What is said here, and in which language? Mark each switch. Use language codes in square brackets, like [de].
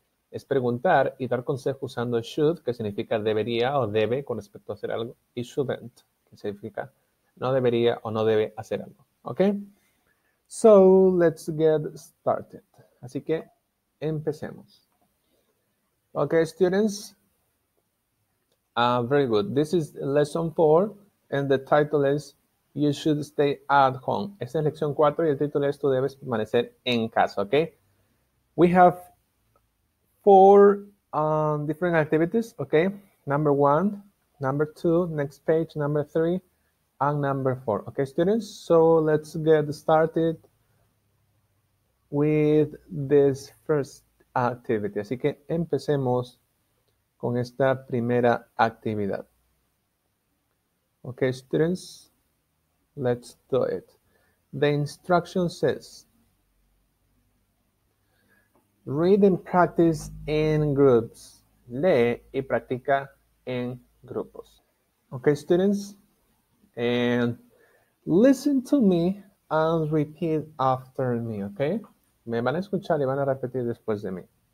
[es] Es preguntar y dar consejo usando should, que significa debería o debe con respecto a hacer algo, y shouldn't, que significa no debería o no debe hacer algo. ¿Ok? [en] So, let's get started. [es] Así que empecemos. [en] Ok, students. Very good. This is lesson 4 and the title is You Should Stay At Home. [es] Esta es lección 4 y el título es Tú Debes Permanecer En Casa. [en] ¿Ok? We have four different activities, okay? Number one, number two, next page, number three, and number four. Okay, students? So let's get started with this first activity. [es] Así que empecemos con esta primera actividad. [en] Okay, students? Let's do it. The instruction says, read and practice in groups. [es] Lee y practica en grupos. [en] Okay, students? And listen to me and repeat after me, okay? [es] Me van a escuchar y van a repetir después de mí.